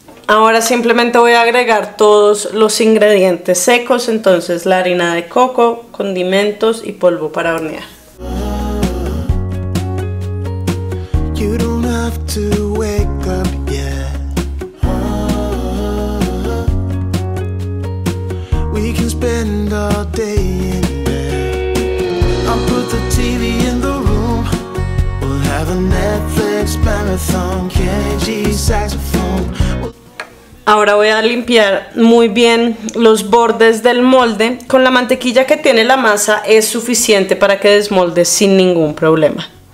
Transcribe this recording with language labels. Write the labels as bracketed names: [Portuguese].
[Spanish] Ahora simplemente voy a agregar todos los ingredientes secos, entonces la harina de coco, condimentos y polvo para hornear. [English] You don't have to wake up yet. We can spend all day in bed. I'll put the TV in the room. We'll have a Netflix marathon. KG saxophone. [Spanish] Ahora voy a limpiar muy bien los bordes del molde. Con la mantequilla que tiene la masa es suficiente para que desmolde sin ningún problema.